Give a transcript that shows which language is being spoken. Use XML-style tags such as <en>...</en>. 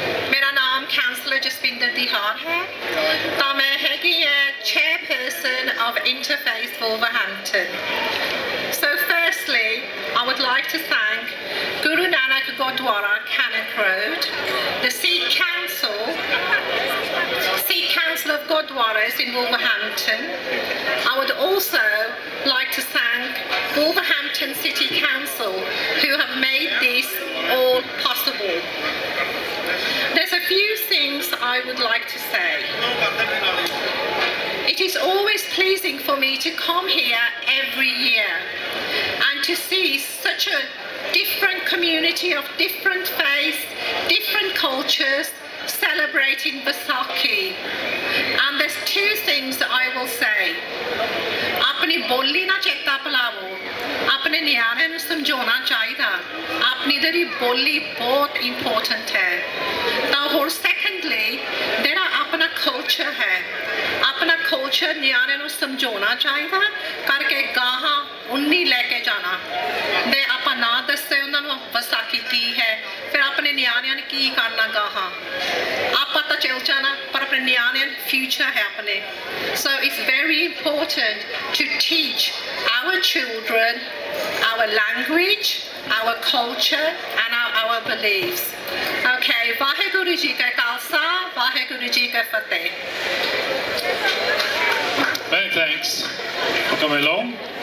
<pa>ਮੇਰਾ ਨਾਮ ਕੌਂਸਲਰ ਜਸਪਿੰਦਰ ਤਿਹਾਰ ਹੈ, ਤਾਂ ਮੈਂ ਹੈਗੀ ਹੈ</pa> <en>Chairperson of interface Wolverhampton. So firstly I would like to thank Guru Nanak Gurdwara Cannock road, the seat council, seat council of gurdwaras in Wolverhampton. I would also like to thank Wolverhampton City Council, who have made this all possible. There's a few things I would like to say. It is always pleasing for me to come here every year and to see such a different community of different faiths, different cultures, celebrating Vaisakhi. And there's two things I will say.</en> <pa>ਆਪਣੀ ਬੋਲੀ ਨਾ ਚੇਤਾ ਭੁਲਾਵੋ, ਆਪਣੇ ਨਿਆਣਿਆਂ ਨੂੰ ਸਮਝਾਉਣਾ ਚਾਹੀਦਾ, ਆਪਣੀ ਜਿਹੜੀ ਬੋਲੀ ਬਹੁਤ ਇੰਪੋਰਟੈਂਟ ਹੈ. ਤਾਂ ਹੋਰ ਸੈਕਿੰਡਲੀ ਜਿਹੜਾ ਆਪਣਾ ਕਲਚਰ ਹੈ, ਆਪਣਾ ਕਲਚਰ ਨਿਆਣਿਆਂ ਨੂੰ ਸਮਝਾਉਣਾ ਚਾਹੀਦਾ, ਕਰਕੇ ਗਾਹਾਂ ਉੱਨੀ ਲੈ ਕੇ ਜਾਣਾ ਅਤੇ ਆਪਾਂ ਨਾ ਦੱਸੇ ਉਹਨਾਂ ਨੂੰ ਵਿਸਾਖੀ ਕੀ ਹੈ, ਫਿਰ ਆਪਣੇ ਨਿਆਣਿਆਂ ਨੇ ਕੀ ਕਰਨਾ ਗਾਹਾਂ. ਆਪਾਂ ਤਾਂ ਚਲ ਜਾਣਾ ਪਰ ਆਪਣੇ ਨਿਆਣਿਆਂ ਦਾ ਫਿਊਚਰ ਹੈ ਆਪਣੇ.</pa> <en>So it's very important to teach our children our language, our culture and our beliefs.</en> <pa>Okay, Waheguru ji ਕਾ ਖਾਲਸਾ, ਵਾਹਿਗੁਰੂ ਜੀ ਕੀ ਫਤਿਹ.</pa> <en>Many thanks for coming along.</en>